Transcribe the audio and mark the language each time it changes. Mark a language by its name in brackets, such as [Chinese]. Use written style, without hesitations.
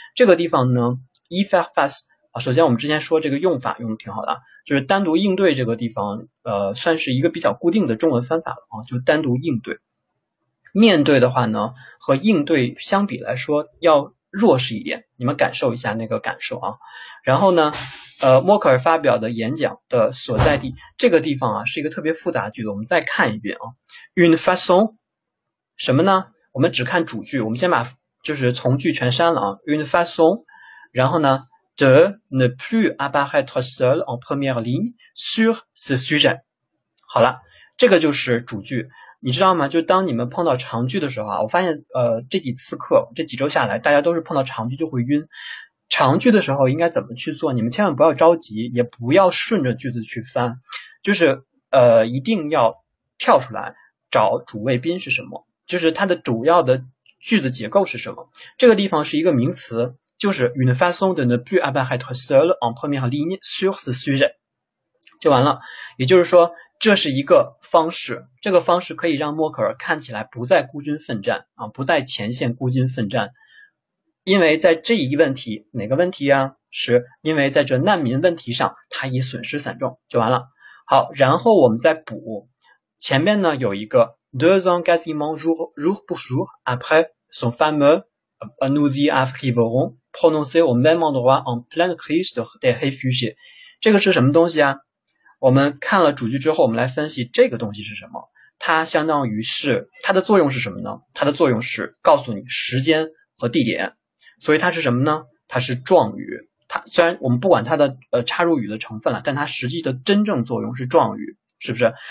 [Chinese] 这个地方呢，e f a c fast 啊，首先我们之前说这个用法用的挺好的，就是单独应对这个地方，算是一个比较固定的中文翻法了啊，就单独应对。面对的话呢，和应对相比来说要弱势一点，你们感受一下那个感受啊，然后呢。默克尔发表的演讲的所在地，这个地方啊，是一个特别复杂的句子，我们再看一遍啊。 [French] Une façon [Chinese] 什么呢？我们只看主句，我们先把就是从句全删了啊。 [French] Une façon， [Chinese] 然后呢， [French] de ne plus apparaître seul en première ligne sur ce sujet。 [Chinese] 好了，这个就是主句。你知道吗？就当你们碰到长句的时候啊，我发现这几次课这几周下来，大家都是碰到长句就会晕。长句的时候应该怎么去做？你们千万不要着急，也不要顺着句子去翻，就是一定要跳出来找主谓宾是什么，就是它的主要的句子结构是什么。这个地方是一个名词，就是 [French] une façon de ne plus apparaître seul en première ligne sur ce sujet， [Chinese] 就完了。也就是说，这是一个方式，这个方式可以让默克尔看起来不再孤军奋战啊，不在前线孤军奋战。因为在这一问题，哪个问题呀？是因为在这难民问题上，他已损失惨重，就完了。好，然后我们再补前面呢，有一个 [French] deux ans quasiment jour pour jour après son fameux nous y arriverons prononcé au même endroit en pleine crise des réfugiés， [Chinese] 这个是什么东西啊？我们看了主句之后，我们来分析这个东西是什么。它相当于是，它的作用是什么呢？它的作用是告诉你时间和地点。所以它是什么呢？它是状语。它虽然我们不管它的插入语的成分了，但它实际的真正作用是状语，是不是？